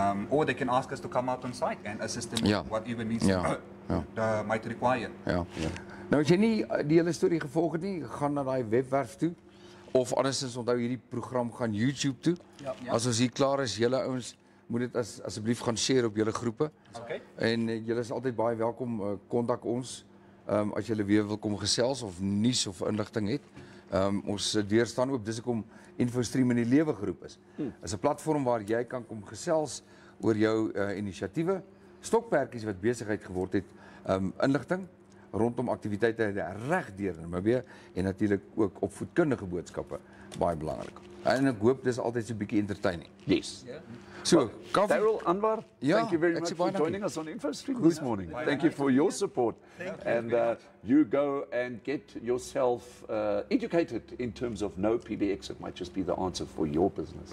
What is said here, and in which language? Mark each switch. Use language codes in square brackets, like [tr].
[en] Or they can ask us to come out on site and assist them whatever needs might require. [af] Nou as jy nie die hele storie gevolg het nie, gaan na die webwerf toe of andersins onthou hierdie program gaan YouTube toe. As ons hier klaar is, julle ouens moet dit asseblief gaan share op julle groepe. En julle is altyd baie welkom, kontak ons as julle weer wil kom gesels of nuus of inligting het. Ons deur staan oop, dis hoekom InfoStream in die lewe groep is. Is 'n platform waar jy kan kom gesels oor jou inisiatiewe, stokperkies wat besigheid geword het, inligting rondom aktiwiteite reg deur Namibia en natuurlik ook opvoedkundige boodskappe, baie belangrik. En ek hoop dis altyd so 'n bietjie entertaining. [en] Yes. So, Daryl, Anwar, thank you very much for joining us on InfoStream this morning. Thank you for your support. Thank you. You go and get yourself educated in terms of NoPBX. It might just be the answer for your business.